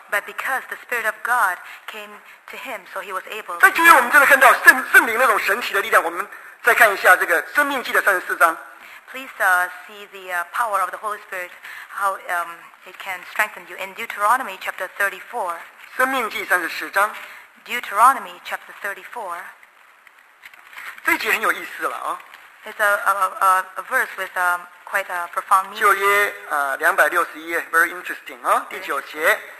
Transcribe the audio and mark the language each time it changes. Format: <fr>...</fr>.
<en>But because the Spirit of God came to him, so he was able.</en> <zh>在今天我们真的看到圣灵那种神奇的力量，我们。再看一下这个《生命记》的34章。</zh> <en>Please see the power of the Holy Spirit, how it can strengthen you. In Deuteronomy chapter 34.</en> <zh>生命记34章。</zh> <en>Deuteronomy chapter 34.</en> <zh>这一节很有意思了啊。</zh> <en>It's a verse with quite a profound meaning.</en> <zh>旧约261页,</zh> <en>very interesting</en> <zh>啊，第九节。</zh>